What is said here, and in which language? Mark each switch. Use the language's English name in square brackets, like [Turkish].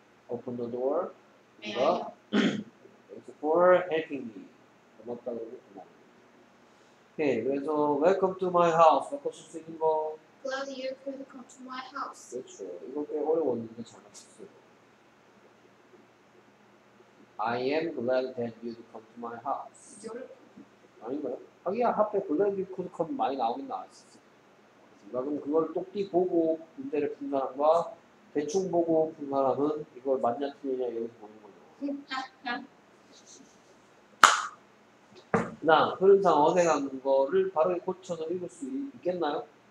[English] Open the door. May I help? Thanks for helping me. [Korean] 고맙다고 말합니다. Okay, 그래서 [English] welcome to my house. [Korean] 바꿔 쓸 수 있는 거. [English] Glad you could come to my house. [Korean] 그렇죠. 이거 꽤 어려웠는데 잘 맞췄어요. [English] I am glad that you could come to my house. [Korean] 아닌가요? 하기야 앞에 [English] glad you could come [Korean] 많이 나오긴 나왔어요. 그럼 그걸 똑띠 보고 문제를 푼 사람과 대충 보고 푼 사람은 이걸 맞냐 틀리냐 여기서 보는 거죠. 나 흐름상 어색한 거를 바로 고쳐서 읽을 수 있겠나요?